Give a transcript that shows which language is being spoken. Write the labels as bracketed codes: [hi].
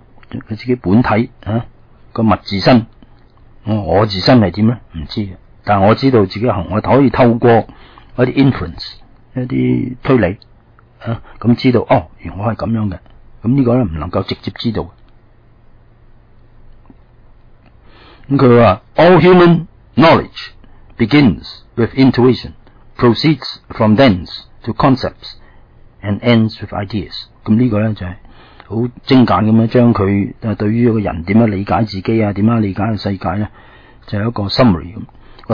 [yue] 佢自己本体啊，个物自身，我自身系点咧？唔知嘅，但我知道自己行，我可以透过一啲 inference， 一啲推理啊，咁知道哦，我系咁样嘅。咁呢个咧唔能够直接知道。咁佢话 [en] ：All human knowledge begins with intuition, proceeds from thence to concepts, and ends with ideas。 [yue] 咁呢个咧就系。好精簡咁樣將佢對於一個人點樣理解自己啊，點樣理解世界咧，就有一個 summary 咁。